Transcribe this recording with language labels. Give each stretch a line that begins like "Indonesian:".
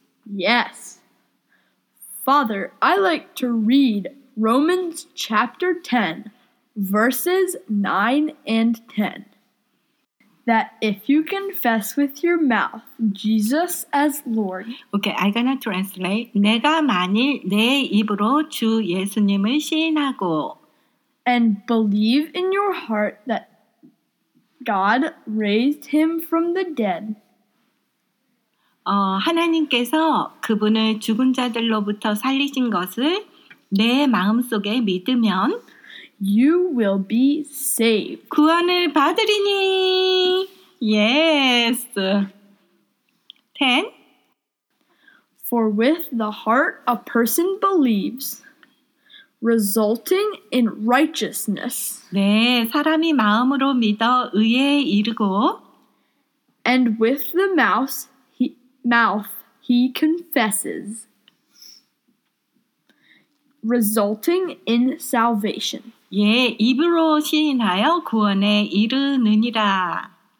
English: Yes. Father, I like to read Romans chapter 10, verses 9 and 10. That if you confess with your mouth Jesus as Lord. Okay, I'm gonna translate.
Korean: 내가 만일 내 입으로 주 예수님을 시인하고.
English: And believe in your heart that God raised him from the dead.
Korean: 하나님께서 그분을 죽은 자들로부터 살리신 것을 내 마음속에 믿으면
English: You will be saved.
Korean: 구원을 받으리니.
English: Yes. 10. For with the heart a person believes, resulting in righteousness.
Korean: 네, 사람이 마음으로 믿어 의에 이르고.
English: And with the mouth he confesses, resulting in salvation.
Korean: 예, 입으로 시인하여 구원에 이르느니라.